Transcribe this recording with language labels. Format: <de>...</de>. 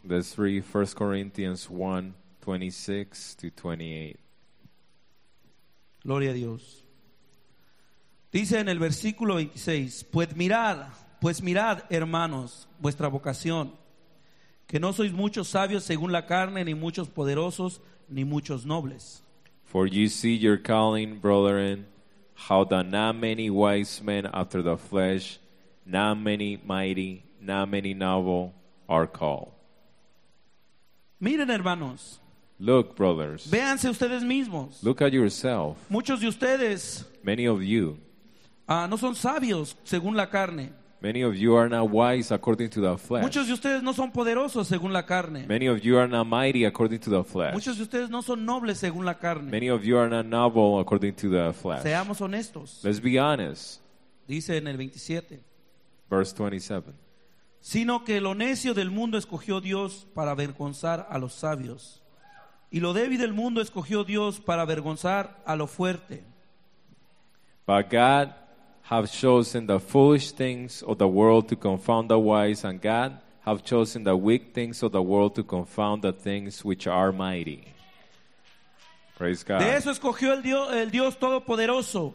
<en>Let's read 1 Corinthians 1, 26 to 28.</en> <es>Gloria a Dios. Dice en el versículo 26, Pues mirad, hermanos, vuestra vocación, que no sois muchos sabios según la carne, ni muchos poderosos, ni muchos nobles.</es> <en>For you see your calling, brethren, how that not many wise men after the flesh, not many mighty, not many noble are called.</en> <es>Miren, hermanos.</es> <en>Look, brothers.</en> <es>Véanse ustedes mismos.</es> <en>Look at yourself.</en> <es>Muchos de ustedes.</es> <en>Many of you.</en> <es>No son sabios según la carne.</es> <en>Many of you are not wise according to the flesh.</en> <es>Muchos de ustedes no son poderosos según la carne.</es> <en>Many of you are not mighty according to the flesh.</en> <es>Muchos de ustedes no son nobles según la carne.</es> <en>Many of you are not noble according to the flesh.</en> <es>Seamos honestos.</es> <en>Let's be honest.</en> <es>Dice en el 27.</es> <en>Verse 27.</en> <es>Sino que lo necio del mundo escogió Dios para avergonzar a los sabios. Y lo débil del mundo escogió Dios para avergonzar a lo fuerte.</es> <en>But God have chosen the foolish things of the world to confound the wise, and God have chosen the weak things of the world to confound the things which are mighty. Praise God.</en> <es>De eso escogió el Dios Todopoderoso.</es>